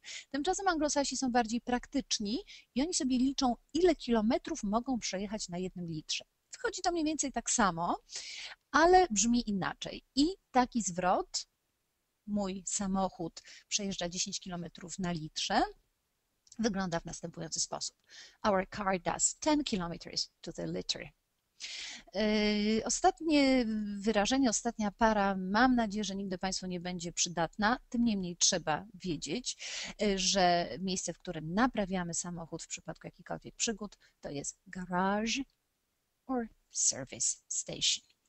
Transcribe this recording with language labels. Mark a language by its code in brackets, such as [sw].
[pl] Tymczasem anglosasi są bardziej praktyczni i oni sobie liczą, ile kilometrów mogą przejechać na jednym litrze. Wychodzi to mniej więcej tak samo, ale brzmi inaczej. I taki zwrot, mój samochód przejeżdża 10 km na litrze, wygląda w następujący sposób. [en] Our car does 10 kilometers to the liter. [pl] Ostatnie wyrażenie, ostatnia para, mam nadzieję, że nigdy Państwu nie będzie przydatna. Tym niemniej trzeba wiedzieć, że miejsce, w którym naprawiamy samochód w przypadku jakichkolwiek przygód, to jest garage or service station.